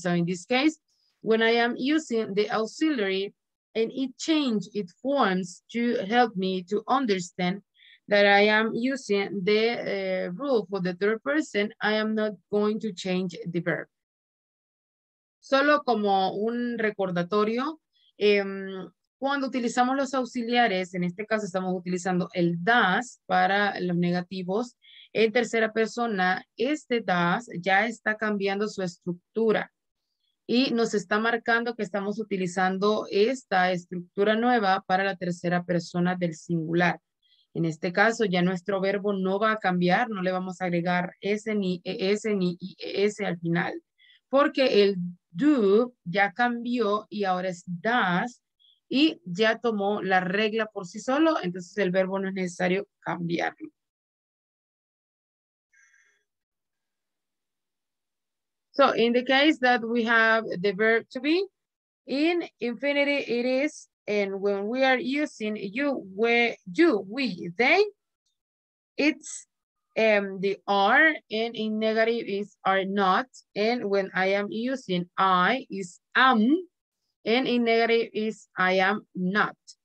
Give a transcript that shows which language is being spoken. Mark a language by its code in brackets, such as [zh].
[en] So in this case, when I am using the auxiliary and it changes its forms to help me to understand that I am using the rule for the third person, I am not going to change the verb. [es] Solo como un recordatorio, Cuando utilizamos los auxiliares, en este caso estamos utilizando el does para los negativos, en tercera persona, este does ya está cambiando su estructura y nos está marcando que estamos utilizando esta estructura nueva para la tercera persona del singular. En este caso, ya nuestro verbo no va a cambiar, no le vamos a agregar s ni es ni es al final, porque el do ya cambió y ahora es does y ya tomó la regla por sí solo, entonces el verbo no es necesario cambiarlo. [en] So, in the case that we have the verb to be, in infinity it is, and when we are using you, we, you, we, they, it's the are, and in negative is are not, and when I am using I is am, and in negative is I am not.